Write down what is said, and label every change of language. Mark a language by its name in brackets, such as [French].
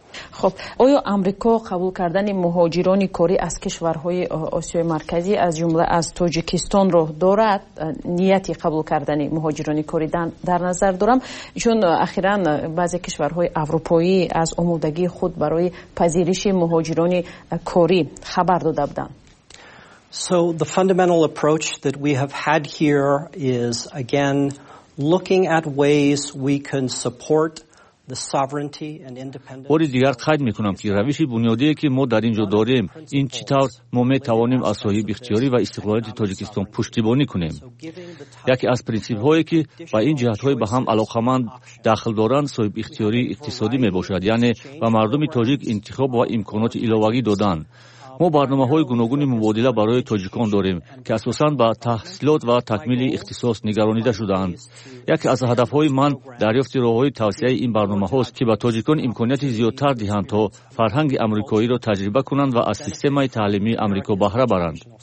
[Persian] خب آیا آمریکا قبول کردن مهاجران کاری از کشورهای آسیای مرکزی از جمله از تاجیکستان را دارد نیتی قبول کردن مهاجران کاری در نظر دارم چون اخیرا بعضی کشورهای اروپایی از آمادگی خود برای پذیرش مهاجران کاری خبر داده بودند [English] So the fundamental approach that we have had here is again looking at ways we can support [Tajik] бори дигар қайд мекунам ки равиши бунёдие ки мо дар инҷо дорем ин чӣ тавр мо метавонем аз соҳиби ихтиёрӣ ва истиқлолияти тоҷикистон пуштибонӣ кунем яке аз принсипҳое ки ба ин ҷиҳатҳои ба ҳам алоқаманд дахл доранд соҳиби ихтиёрии иқтисодӣ мебошад яъне ба мардуми тоҷик интихоб ва имконоти иловагӣ додан мо барномаҳои гуногуни мубодила барои тоҷикон дорем ки асосан ба таҳсилот ва такмили ихтисос нигаронида шудаанд яке аз ҳадафҳои ман дарёфти роҳҳои тавсеаи ин барномаҳост ки ба тоҷикон имконияти зиёдтар диҳанд то фарҳанги амрикоиро таҷриба кунанд ва аз системаи таълимии амрико баҳра баранд